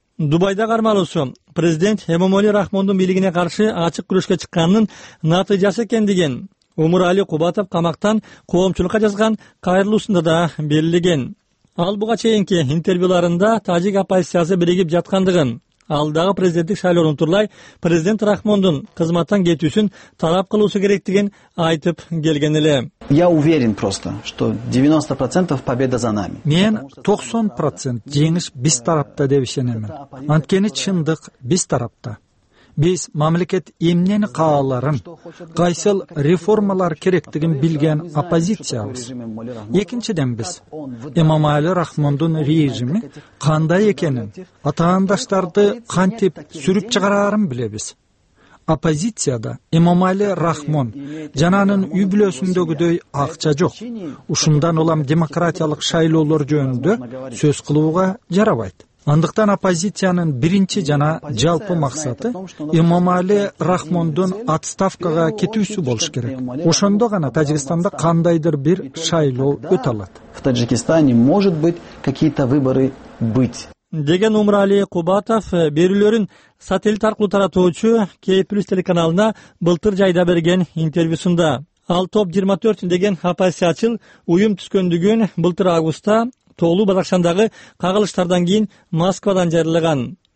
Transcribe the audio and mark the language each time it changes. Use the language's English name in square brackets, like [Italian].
[Kyrgyz] Дубайда кармалуусу президент Эмомали Рахмондун бийлигине каршы ачык күрөшкө чыкканынын натыйжасы экен деген Умурали Кубатов камактан коомчулукка жазган кайрылуусунда да берилген. Ал буга чейинки интервьюларында тажик оппозициясы биригип жаткандыгын, алдагы президенттик шайлоону турлай президент Рахмондун кызматтан кетүүсүн талап кылуусу керектигин айтып келген эле. [Russian] Я уверен просто, что 90% победа за нами. [Kyrgyz] Мен 90% жеңиш биз тарапта деп ишенемин. Анткени чындык биз тарапта. Биз мамлекет эмнени кааларын, кайсыл реформалар керектигин билген оппозициябыз. Экинчиден биз Эмомали Рахмондун режими кандай экенин, атаандаштарды кантип сүрүп чыгарарын билебиз. Оппозицияда Эмомали Рахмон жана анын үй бүлөсүндөгүдөй акча жок. Ушундан улам демократиялык шайлоолор жөнүндө сөз кылууга жарабайт. Андыктан оппозициянын биринчи жана жалпы максаты Эмомали Рахмондун отставкага кетүүсү болуш керек. Ошондо гана Тажикстанда кандайдыр бир шайлоо өтө алат. [Russian] В Таджикистане может быть какие-то выборы быть. [Kyrgyz] Деген Умурали Кубатов берүүлөрүн сателлит аркылуу таратуучу K+ телеканалына былтыр жайда берген интервьюсунда ал топ 24 деген оппозициячыл уюм түзгөндүгүн былтыр августта Тоолуу Бадакшандагы кагылыштардан кийин Москвадан жарыялаган.